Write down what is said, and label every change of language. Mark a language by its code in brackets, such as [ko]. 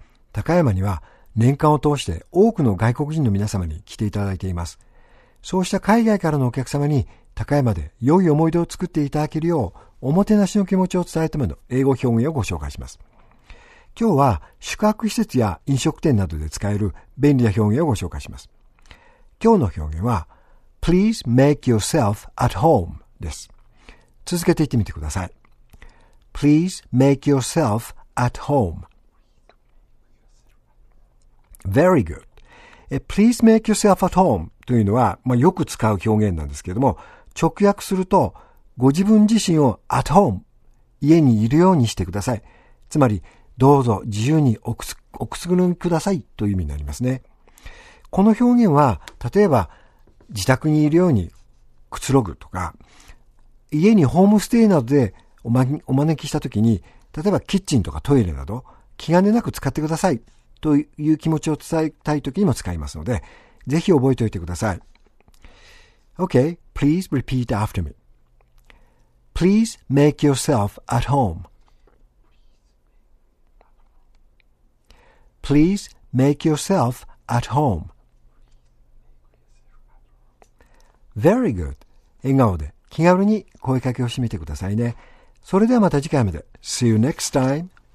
[ja] 高山には年間を通して多くの外国人の皆様に来ていただいています。そうした海外からのお客様に高山で良い思い出を作っていただけるようおもてなしの気持ちを伝えるための英語表現をご紹介します。今日は宿泊施設や飲食店などで使える便利な表現をご紹介します。今日の表現は [en] Please make yourself at home [ja] です。続けて言ってみてください。 [en] Please make yourself at home. Very good. Please make yourself at home [ja] というのは、まあ、よく使う表現なんですけれども、直訳すると、ご自分自身を [en] at home、 [ja] 家にいるようにしてください。つまり、どうぞ自由にお くすぐりくださいという意味になりますね。この表現は、例えば、自宅にいるようにくつろぐとか、家にホームステイなどでお招きしたときに、例えばキッチンとかトイレなど、気兼ねなく使ってくださいという気持ちを伝えたいときにも使いますので、ぜひ覚えておいてください。 [en] Okay, please repeat after me.Please make yourself at home.Please make yourself at home.Very good. [ja] 笑顔で。気軽に声かけを締めてくださいね。それではまた次回まで。 [en] See you next time.